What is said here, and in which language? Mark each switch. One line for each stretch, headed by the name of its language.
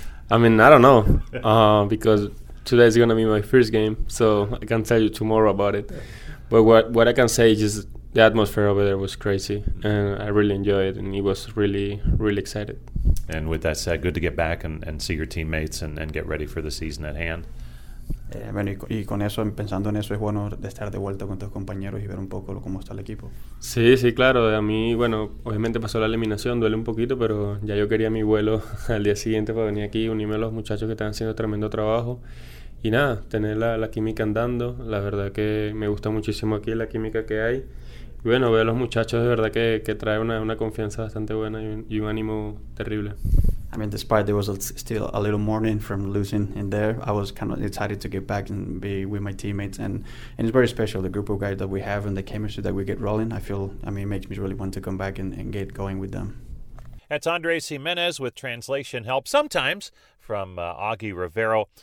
English: I mean, I don't know, because today is going to be my first game, so I can tell you tomorrow about it. But what I can say is just, the atmosphere over there was crazy, and I really enjoyed it, and it was really, really excited. And with that said, good to get back and see your teammates and get ready for the season at hand.
Spanish: Bueno, y con eso, pensando en eso, es bueno de estar de vuelta con tus compañeros y ver un poco cómo está el equipo. Sí, claro. A mí, bueno, obviamente pasó la eliminación, duele un poquito, pero ya yo quería mi vuelo al día siguiente para venir aquí, unirme a los muchachos que están haciendo tremendo trabajo. Y nada, tener la química andando, la verdad que me gusta muchísimo aquí la química que hay. Y bueno, veo a los muchachos de verdad que trae una confianza bastante buena y un ánimo terrible.
English: I mean, despite there was still a little mourning from losing in there, I was kind of excited to get back and be with my teammates. And it's very special, the group of guys that we have and the chemistry that we get rolling. I mean, it makes me really want to come back and get going with them. That's Andres Jimenez with translation help sometimes from Augie Rivero.